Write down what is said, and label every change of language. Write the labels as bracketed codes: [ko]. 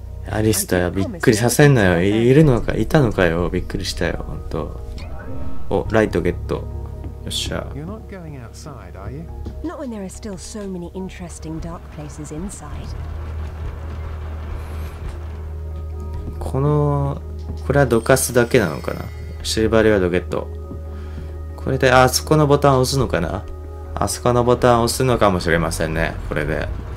[ja] アリスター、びっくりさせんなよ。いるのか、いたのかよ。びっくりしたよ、ほんと。お、ライトゲット。よっしゃ。 [en] You're not going outside, are you? Not when there are still so many interesting dark places inside. [ja] この、これはどかすだけなのかな。シルバーリワードゲット。これで、あそこのボタンを押すのかな？あそこのボタンを押すのかもしれませんね、これで。